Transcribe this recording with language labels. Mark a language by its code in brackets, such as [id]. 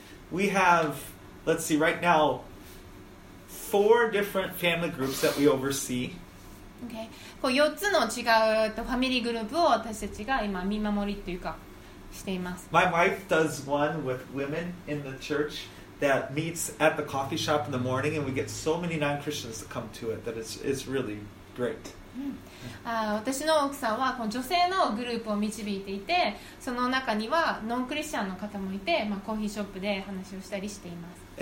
[en] We have, let's see, right now, 4 different family groups that we oversee. [ja] Okay, こう四つの違うファミリーグループを私たちが今見守りというかしています。 [en] My wife does one with women in the church. that meets at the coffee shop in the morning, and we get so many non-Christians to come to it that it's really great. [ja] 私の奥さんはこの女性のグループを導いていて、その中にはノンクリスチャンの方もいて、まあ、コーヒーショップで話をしたりしています。